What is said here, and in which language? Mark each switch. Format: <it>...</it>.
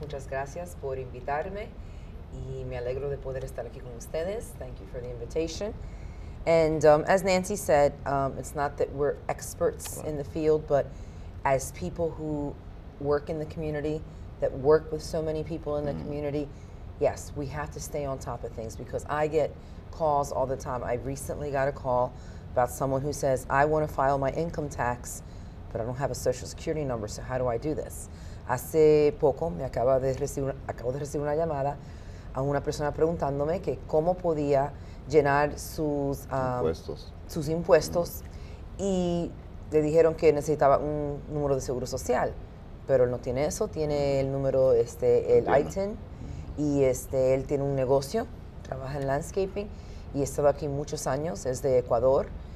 <es>Muchas gracias por invitarme, y me alegro de poder estar aquí con ustedes.</es> <en>Thank you for the invitation. And as Nancy said, it's not that we're experts in the field, but as people who work in the community, that work with so many people in the community, yes, we have to stay on top of things, because I get calls all the time. I recently got a call about someone who says, I want to file my income tax, but I don't have a social security number, so how do I do this?</en> <es>Hace poco me acabo de recibir una llamada a una persona preguntándome que cómo podía llenar sus impuestos. Y le dijeron que necesitaba un número de seguro social, pero él no tiene eso, tiene el número, el ITIN, y él tiene un negocio, trabaja en landscaping, y ha estado aquí muchos años, es de Ecuador,</es>